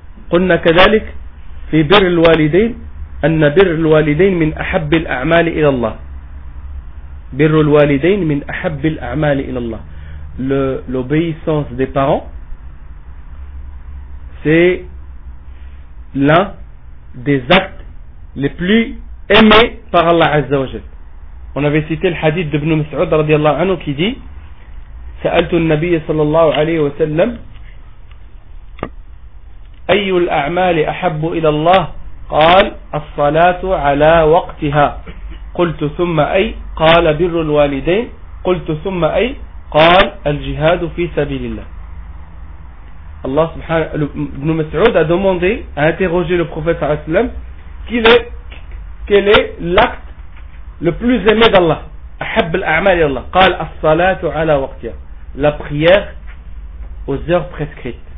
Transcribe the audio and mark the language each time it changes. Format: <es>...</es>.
<ar>قُلْنَا كَذَلِكَ فِي بِرِّ الْوَالِدَيْنِ أَنَّ بِرِّ الْوَالِدَيْنِ مِنْ أَحَبِّ الْأَعْمَالِ إِلَى اللَّهِ. بِرُّ الْوَالِدَيْنِ مِنْ أَحَبِّ الْأَعْمَالِ إِلَى اللَّهِ.</ar> <fr>L'obéissance des parents, c'est l'un des actes les plus aimés par Allah Azza wa Jalla. On avait cité le hadith d'Ibn Mas'ud radiallahu anhu qui dit:</fr> <ar>سألت النبي صلى الله عليه وسلم أي الأعمال أحب إلى الله؟ قال الصلاة على وقتها. قلت ثم أي؟ قال بر الوالدين. قلت ثم أي؟ قال الجهاد في سبيل الله.</ar> <fr>الله سبحانه ابن مسعود a demandé, a interrogé le prophète sallam, quel est l'acte le plus aimé d'Allah,</fr> <ar>أحب الأعمال إلى الله. قال الصلاة على وقتها,</ar> <fr>la prière aux heures prescrites.</fr>